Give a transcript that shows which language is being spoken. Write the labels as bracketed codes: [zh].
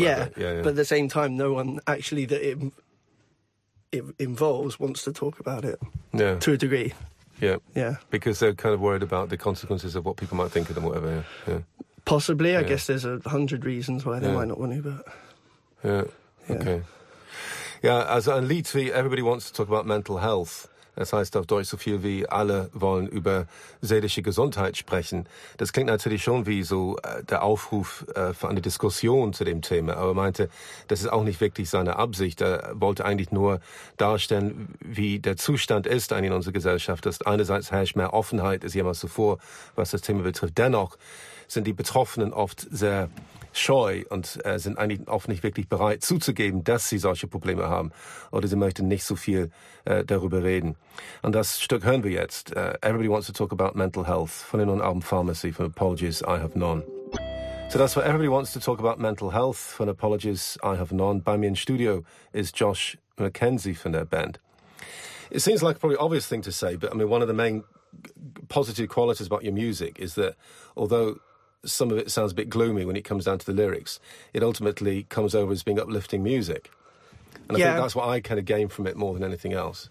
[en] Yeah, but at the same time, no one actually that it involves wants to talk about it. Yeah, to a degree. Yeah, yeah, because they're kind of worried about the consequences of what people might think of them, whatever. Yeah, possibly. Yeah. I guess there's 100 reasons why they might not want to, but. Yeah. Okay. Yeah, also in Litvi, everybody wants to talk about mental health. [de] Das heißt auf Deutsch so viel wie alle wollen über seelische Gesundheit sprechen. Das klingt natürlich schon wie so der Aufruf für eine Diskussion zu dem Thema. Aber er meinte, das ist auch nicht wirklich seine Absicht. Er wollte eigentlich nur darstellen, wie der Zustand ist eigentlich in unserer Gesellschaft. Dass einerseits herrscht mehr Offenheit als jemals zuvor, was das Thema betrifft. Dennoch sind die Betroffenen oft sehr scheu und sind eigentlich oft nicht wirklich bereit zuzugeben, dass sie solche Probleme haben. Oder sie möchten nicht so viel darüber reden. Und das Stück hören wir jetzt. Everybody Wants to Talk About Mental Health von dem neuen Album Pharmacy von Apologies I Have None. So das war Everybody Wants to Talk About Mental Health von Apologies I Have None. Bei mir im Studio ist Josh McKenzie von der Band. [en] It seems like a probably obvious thing to say, but I mean, one of the main positive qualities about your music is that although some of it sounds a bit gloomy when it comes down to the lyrics, it ultimately comes over as being uplifting music. And I think that's what I kind of gain from it more than anything else.